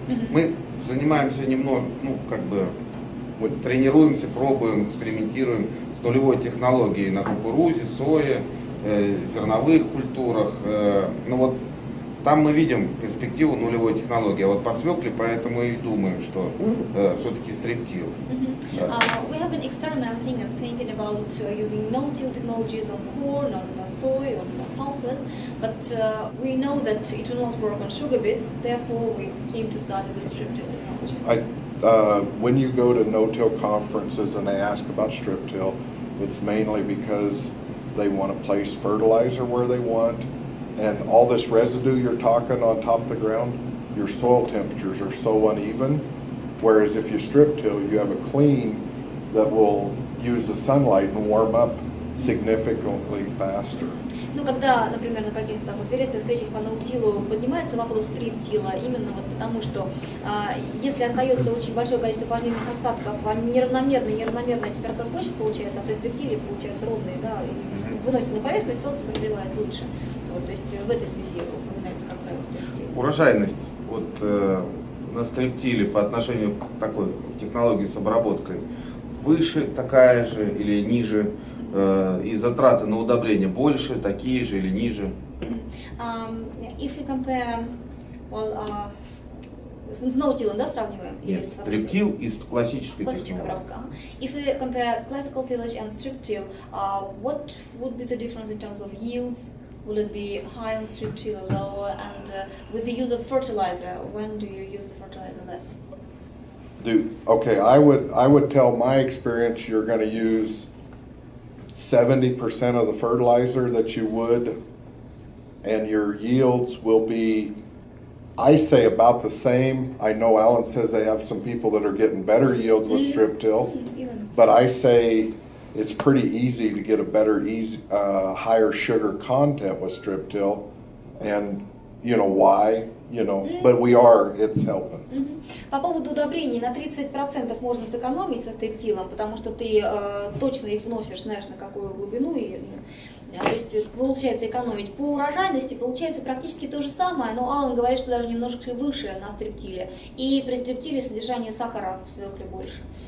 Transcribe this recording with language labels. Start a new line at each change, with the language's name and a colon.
Russian: Мы занимаемся немного, ну как бы, вот тренируемся, пробуем, экспериментируем с нулевой технологией на кукурузе, сое, зерновых культурах. Ну вот. Там мы видим перспективу нулевой технологии, а вот по свекле, поэтому и думаем, что все-таки стриптил.
English: We have been experimenting and thinking about using no-till technologies on corn, on soy, on pulses, but we know that it will not work on sugar beets, therefore we came to start with strip-till technology. When you go to no-till conferences and they ask about strip-till, it's mainly because they want to place fertilizer where they want. And all this residue you're talking on top of the ground, your soil temperatures are so uneven. Whereas if you strip till, you have a clean that will use the sunlight and warm up significantly faster.
Russian: Ну когда, например, на каких-то конференциях, встречах по ноутилу поднимается вопрос стриптила, именно вот потому что если остается очень большое количество пожневных остатков, неравномерная температура почвы получается, а при стриптиле получается ровные, да, и выносится на поверхность, солнце прогревает лучше. Вот, то есть в этой связи упоминается, как правило, стриптил. Урожайность вот, на стриптиле по отношению к такой технологии с обработкой выше такая же или ниже, и затраты на удобрения больше, такие же или ниже?
English: If we compare, well,
Russian: с ноутилом, да, сравниваем? Нет, стриптил и с классической технологией.
English: If we compare classical tillage and strip-till, what would be the difference in terms of yields? Will it be high on strip till or lower? And with the use of fertilizer, when do you use the fertilizer less? I would tell my experience you're going to use 70% of the fertilizer that you would, and your yields will be, I say, about the same. I know Alan says they have some people that are getting better yields with strip till, but I say it's pretty easy to get a better, higher sugar content with strip till, and you know why, you know, but we are, it's helping.
Russian: По поводу удобрений, на 30% можно сэкономить со стриптилом, потому что ты точно их вносишь, знаешь, на какую глубину, и, то есть получается экономить. По урожайности получается практически то же самое, но Алан говорит, что даже немножко выше на стриптиле, и при стриптиле содержание сахара в свекле больше.